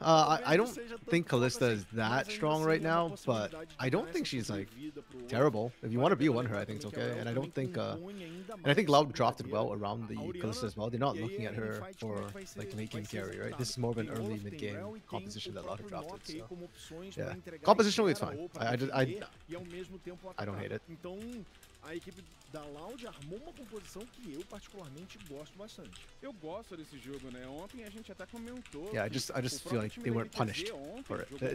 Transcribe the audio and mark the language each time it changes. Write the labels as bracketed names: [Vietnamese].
[English] I don't think Kalista is that strong right now, but I don't think she's like terrible. If you want to B1 her, I think it's okay. And I don't think, and I think Loud drafted well around the Kalista as well. They're not looking at her for like late game carry, right? This is more of an early mid game composition that Loud drafted. So, yeah, compositionally it's fine. I don't hate it. [Portuguese] A equipe da Loud armou uma composição que eu particularmente gosto bastante. Eu gosto desse jogo, né? Ontem a gente até comentou. [English] Yeah, I just feel like they weren't punished for it.